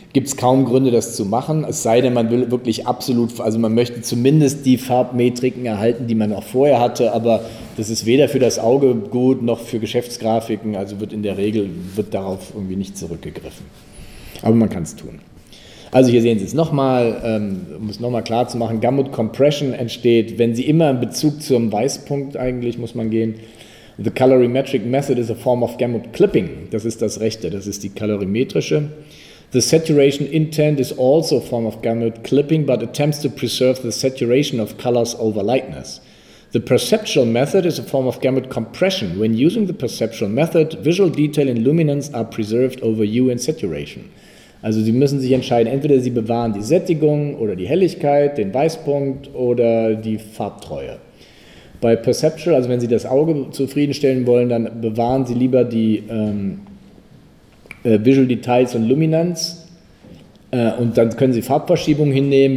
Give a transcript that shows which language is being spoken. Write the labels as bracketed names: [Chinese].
[German] Gibt es kaum Gründe, das zu machen, es sei denn, man will wirklich absolut, also man möchte zumindest die Farbmetriken erhalten, die man auch vorher hatte, aber das ist weder für das Auge gut noch für Geschäftsgrafiken, also wird in der Regel wird darauf irgendwie nicht zurückgegriffen. Aber man kann es tun. Also hier sehen Sie es nochmal, um es nochmal klar zu machen, Gamut Compression entsteht, wenn Sie immer in Bezug zum Weißpunkt eigentlich, muss man gehen, [English] the colorimetric method is a form of gamut clipping, [German] das ist das rechte, das ist die kalorimetrische. [English] The saturation intent is also a form of gamut clipping, but attempts to preserve the saturation of colors over lightness. The perceptual method is a form of gamut compression. When using the perceptual method, visual detail and luminance are preserved over hue and saturation. [German] Also Sie müssen sich entscheiden, entweder Sie bewahren die Sättigung oder die Helligkeit, den Weißpunkt oder die Farbtreue. Bei Perceptual, also wenn Sie das Auge zufriedenstellen wollen, dann bewahren Sie lieber die Visual Details und Luminanz und dann können Sie Farbverschiebungen hinnehmen.